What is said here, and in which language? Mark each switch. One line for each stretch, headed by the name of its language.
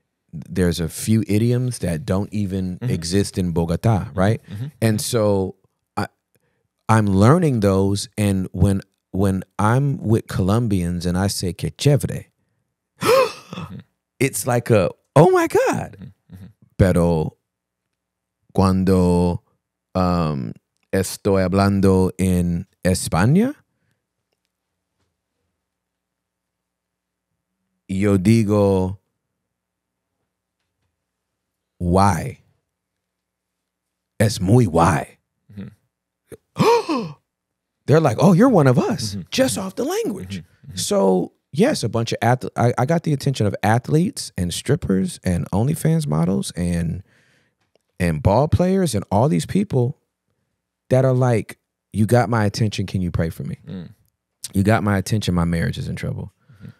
English: There's a few idioms that don't even exist in Bogota, right? Mm-hmm. And so I'm learning those, and when I'm with Colombians and I say
Spanish: que chévere,
English: it's like a, oh my God. Mm-hmm.
Spanish: Pero cuando estoy hablando en España, yo digo,
English: why?
Spanish: Es muy
English: why.
Spanish: Mm-hmm.
English: They're like, oh, you're one of us, mm-hmm. just mm-hmm. off the language. Mm-hmm. So yes, a bunch of I got the attention of athletes and strippers and OnlyFans models and ball players and all these people that are like, you got my attention. Can you pray for me? Mm. You got my attention. My marriage is in trouble. Mm-hmm.